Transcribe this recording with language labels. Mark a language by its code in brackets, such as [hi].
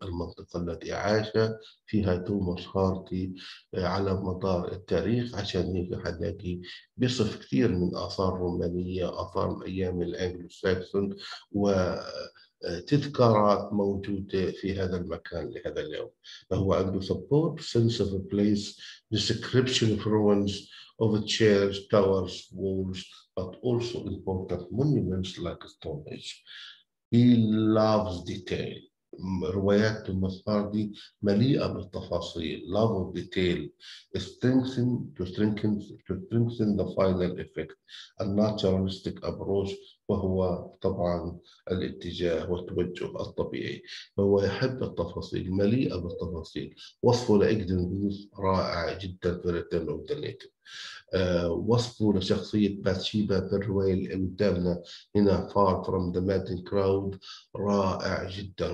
[ar] المنطقة التي عاش فيها توماس هاردي على مدار التاريخ، عشان هيك حنلاقي بصف كثير من آثار رومانية، آثار من أيام الأنجلو ساكسون، وتذكارات موجودة في هذا المكان لهذا اليوم. فهو عنده [en] support sense of a place description of ruins of the chairs, towers, walls, but also important monuments like Stonehenge. He loves detail. [ar] روايات توماس هاردي مليئة بالتفاصيل. [en] Love of detail. To strengthen the final effect. A naturalistic approach. [ar] وهو طبعا الاتجاه والتوجه الطبيعي. فهو يحب التفاصيل، مليئة بالتفاصيل. وصفه لإجدنبيس رائع جدا في Return of the Native. وصفه لشخصية باتشيبا في الرواية اللي قدامنا هنا Far from the Madding Crowd رائع جدا.